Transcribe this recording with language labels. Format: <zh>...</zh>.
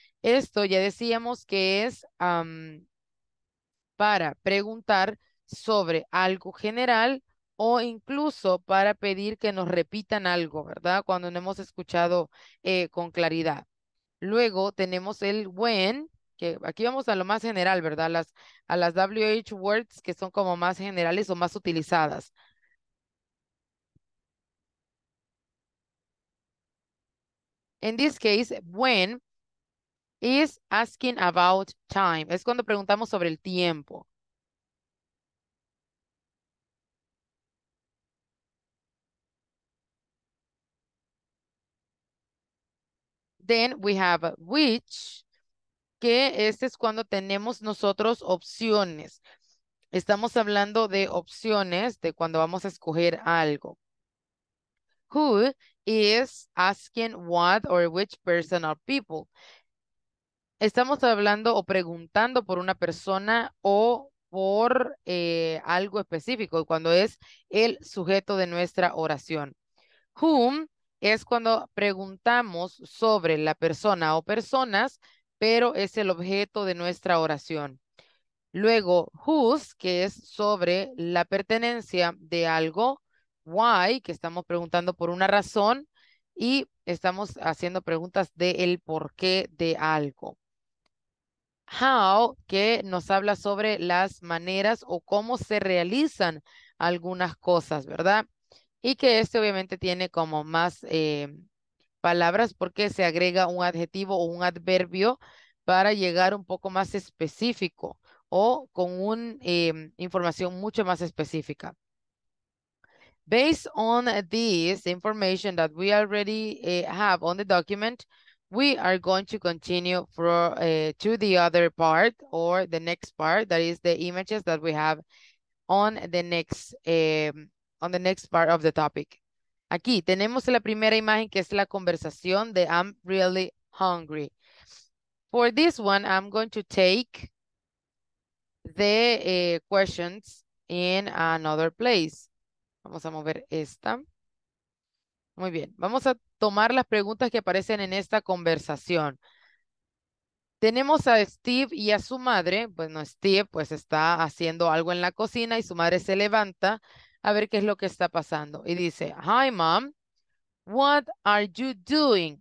<es>Esto ya decíamos que es para preguntar sobre algo general o incluso para pedir que nos repitan algo, ¿verdad? Cuando no hemos escuchado con claridad. Luego tenemos el when. Aquí vamos a lo más general, ¿verdad? A las WH words que son como más generales o más utilizadas.</es> <en>In this case, when is asking about time.</en> <es>Es cuando preguntamos sobre el tiempo.</es> <en>Then we have which,</en> <es>que este es cuando tenemos nosotros opciones. Estamos hablando de opciones de cuando vamos a escoger algo.</es> <en>Who is asking what or which person or people?</en> <es>Estamos hablando o preguntando por una persona o por algo específico, cuando es el sujeto de nuestra oración. Whom es cuando preguntamos sobre la persona o personas, pero es el objeto de nuestra oración. Luego, whose, que es sobre la pertenencia de algo. Why, que estamos preguntando por una razón y estamos haciendo preguntas de el porqué de algo. How, que nos habla sobre las maneras o cómo se realizan algunas cosas, ¿verdad? Y que este obviamente tiene como más palabras porque se agrega un adjetivo o un adverbio para llegar un poco más específico o con una información mucho más específica.</es> <en>Based on this information that we already have on the document, we are going to continue to the other part or the next part, that is the images that we have on the next part of the topic.</en> <es>Aquí tenemos la primera imagen que es la conversación de</es> <en>I'm really hungry. For this one, I'm going to take the questions in another place.</en> <es>Vamos a mover esta. Muy bien. Vamos a tomar las preguntas que aparecen en esta conversación. Tenemos a Steve y a su madre. Bueno, Steve pues está haciendo algo en la cocina y su madre se levanta a ver qué es lo que está pasando. Y dice,</es> <en>hi, mom. What are you doing?</en>